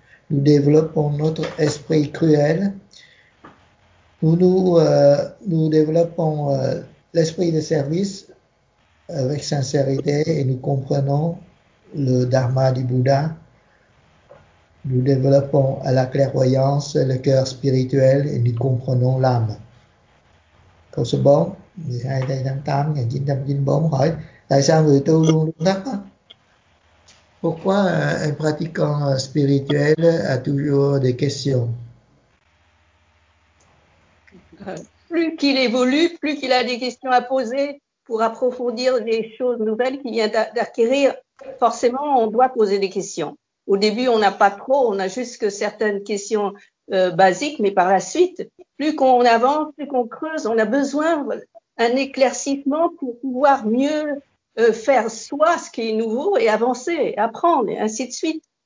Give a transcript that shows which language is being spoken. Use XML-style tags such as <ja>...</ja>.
<fr>Nous développons notre esprit cruel. Nous développons l'esprit de service avec sincérité et nous comprenons le dharma du Bouddha. Nous développons à la clairvoyance le cœur spirituel et nous comprenons l'âme.</fr> <vi>Câu số 4, 12 tháng 8, 1994, hỏi tại sao người tu luôn luôn thắc mắc?</vi> <fr>Pourquoi un pratiquant spirituel a toujours des questions? Plus qu'il évolue, plus qu'il a des questions à poser pour approfondir les choses nouvelles qu'il vient d'acquérir. Forcément, on doit poser des questions. Au début, on n'a pas trop, on a juste que certaines questions basiques, mais par la suite, plus qu'on avance, plus qu'on creuse, on a besoin d'un éclaircissement pour pouvoir mieux faire soi ce qui est nouveau et avancer, apprendre, et ainsi de suite.</fr>